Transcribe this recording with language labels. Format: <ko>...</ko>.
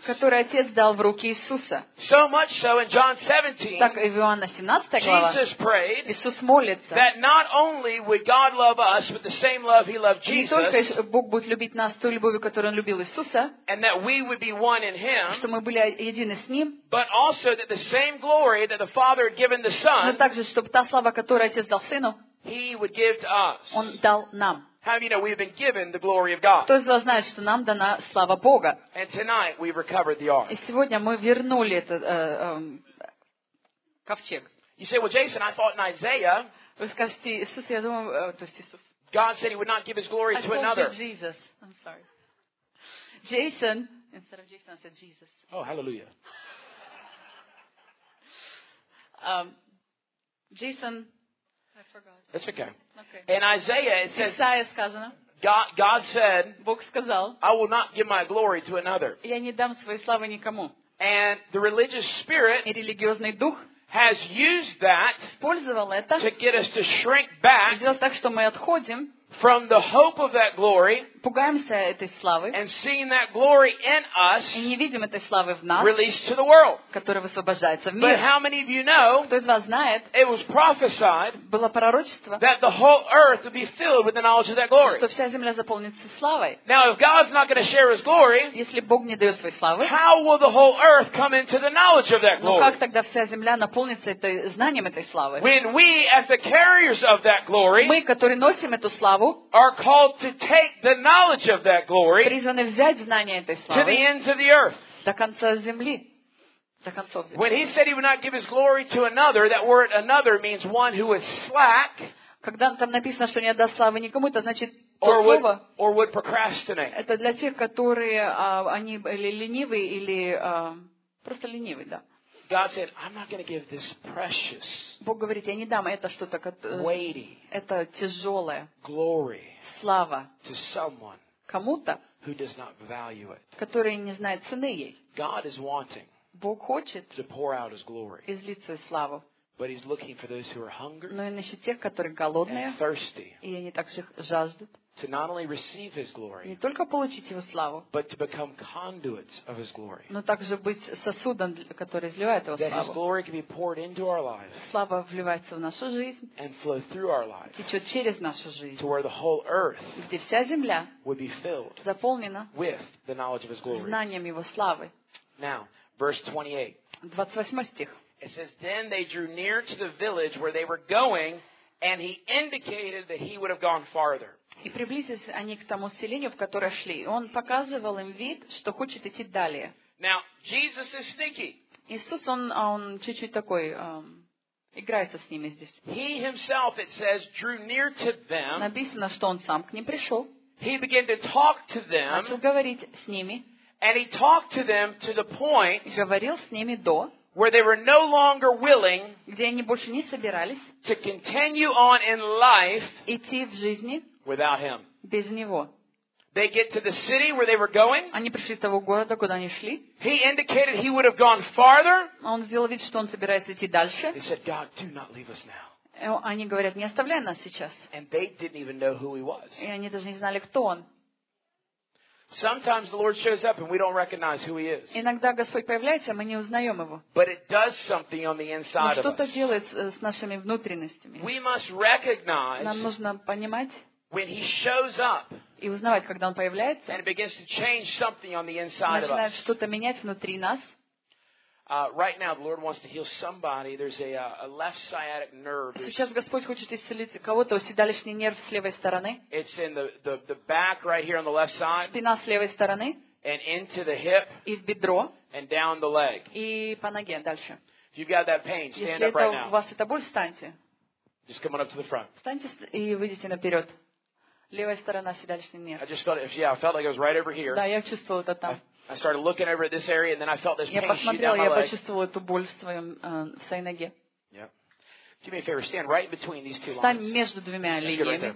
<en>So much so in John 17, Jesus prayed that not only would God love us with the same love he loved Jesus, and that we would be one in him, but also that the same glory that the Father had given the Son, he would give to us. How many of you know we've been given the glory of God?</en> <ru>Кто из вас знает, что нам дана слава Бога?</ru> <en>And tonight we've recovered the ark.</en> <ru>И сегодня мы вернули этот ковчег.</ru> <en>You say, well, Jason, I thought in Isaiah.</en> <ru>Вы скажете, Иисус, я думаю, то есть Иисус.</ru> <en>God said He would not give His glory to another. I said Jesus. I'm sorry. Jason, instead of Jason, I said Jesus. Oh, hallelujah. Jason. That's okay. In Isaiah it says,</en> <ru>Исаия сказано,</ru> <en>God said,</en> <ru>Бог сказал,</ru> <en>I will not give my glory to another.</en> <ru>Я не дам своей славы никому.</ru> <en>And the religious spirit</en> <ru>и религиозный дух</ru> <en>has used that</en> <ru>использовал это,</ru> <en>to get us to shrink back</en> <ru>сделал так, что мы отходим,</ru> <en>from the hope of that glory,</en> <ru>пугаемся этой славы,</ru> <en>and seeing that glory in us</en> <ru>и не видим этой славы в нас,</ru> <en>released to the world.</en> <ru>Которая высвобождается в мир.</ru> <en>But how many of you know,</en> <ru>кто из вас знает,</ru> <en>it was prophesied,</en> <ru>было пророчество,</ru> <en>that the whole earth would be filled with the knowledge of that glory.</en> <ru>Что вся земля заполнится славой.</ru> <en>Now if God's not going to share his glory,</en> <ru>если Бог не дает своей славы,</ru> <en>how will the whole earth come into the knowledge of that glory?</en> <ru>Ну как тогда вся земля наполнится этой, знанием этой славы?</ru> <en>When we, as the carriers of that glory,</en> <ru>мы, которые носим эту славу,</ru> <en>are called to take the knowledge of that glory</en> <ru>призваны взять знание этой славы</ru> <en>to the ends of the earth.</en> <ru>До конца земли. До конца земли.</ru> <en>When he said he would not give his glory to another, that word another means one who is slack.</en> <ru>Когда там написано, что не отдаст славы никому, это значит</ru> <en>or would procrastinate.</en> <ru>Это для тех, которые они или ленивы, или просто ленивы, да.</ru> <en>God said, I'm not going to give this precious,</en> <ru>Бог говорит, я не дам это что-то,</ru> <en>weighty,</en> <ru>это тяжелое,</ru> <en>glory,</en> <ru>слава,</ru> <en>to someone,</en> <ru>кому-то,</ru> <en>who does not value it,</en> <ru>который не знает цены ей.</ru> <en>God is wanting,</en> <ru>Бог хочет,</ru> <en>to pour out his glory,</en> <ru>излить свою славу.</ru> <en>But he's looking for those who are hungry,</en> <ru>но он ищет тех, которые голодные,</ru> <en>and thirsty,</en> <ru>и они также жаждут.</ru> <en>To not only receive His glory,</en> <ru>не только получить Его славу,</ru> <en>but to become conduits of His glory,</en> <ru>но также быть сосудом, который изливает Его славу,</ru> <en>that His glory can be poured into our lives,</en> <ru>слава вливается в нашу жизнь,</ru> <en>and flow through our lives,</en> <ru>течет через нашу жизнь,</ru> <en>to where the whole earth,</en> <ru>где вся земля,</ru> <en>would be filled,</en> <ru>заполнена,</ru> <en>with the knowledge of His glory,</en> <ru>знанием Его славы.</ru> <en>Now, verse 28.</en> <ru>28 стих.</ru> <en>It says, "Then they drew near to the village where they were going, and He indicated that He would have gone farther."</en> <ru>И приблизились они к тому селению, в которое шли. Он показывал им вид, что хочет идти далее.</ru> <en>Now, Jesus is sneaky.</en> <ru>Иисус, он чуть-чуть такой, играется с ними здесь.</ru> <en>He himself, it says, drew near to them.</en> <ru>Написано, что он сам к ним пришел.</ru> <en>He began to talk to them.</en> <ru>Начал говорить с ними.</ru> <en>And he talked to them to the point,</en> <ru>и говорил с ними до,</ru> <en>where they were no longer willing,</en> <ru>где они больше не собирались,</ru> <en>to continue on in life,</en> <ru>идти в жизни,</ru> <en>without him.</en> <ru>Без него.</ru> <en>They get to the city where they were going.</en> <ru>Они пришли того города, куда они шли.</ru> <en>He indicated he would have gone farther.</en> <ru>Он сделал вид, что он собирается идти дальше.</ru> <en>They said, God, do not leave us now.</en> <ru>Они говорят, не оставляй нас сейчас.</ru> <en>And they didn't even know who he was.</en> <ru>И они даже не знали, кто он.</ru> <en>Sometimes the Lord shows up and we don't recognize who he is.</en> <ru>Иногда Господь появляется, мы не узнаем его.</ru> <en>But it does something on the inside of us.</en> <ru>Что-то делает с нашими внутренностями.</ru> <en>We must recognize.</en> <ru>Нам нужно понимать.</ru> <en>when he shows up,</en> <ru>и узнавать, когда он появляется,</ru> <en>and it begins to change something on the inside of us.</en> <ru>Начинает что-то менять внутри нас.</ru> <en>Right now, the Lord wants to heal somebody. There's a left sciatic nerve.</en> <ru>Сейчас Господь хочет исцелить кого-то, седалищный нерв с левой стороны.</ru> <en>It's in the back, right here on the left side.</en> <ru>Спина с левой стороны.</ru> <en>And into the hip.</en> <ru>И в бедро.</ru> <en>And down the leg.</en> <ru>И по ноге дальше.</ru> <en>If you've got that pain, stand</en> <ru>если</ru> <en>up right now.</en> <ru>Если у вас эта боль, встаньте.</ru> <en>Just come on up to the front.</en> <ru>Встаньте и выйдите наперед. Левая сторона седалищный нерв.</ru> <en>I just felt it. Yeah, I felt like it was right over here.</en> <ru>Да, я чувствовала это там.</ru> <en>I started looking over at this area, and then I felt this pain shoot down my leg.</en> <ru>Я почувствовала эту боль в своем в своей ноге.</ru> <en>Yeah. Do me a favor.</en> <ru>Стань</ru> <en>right between these two lines.</en> <ru>Встань между двумя линиями.</ru>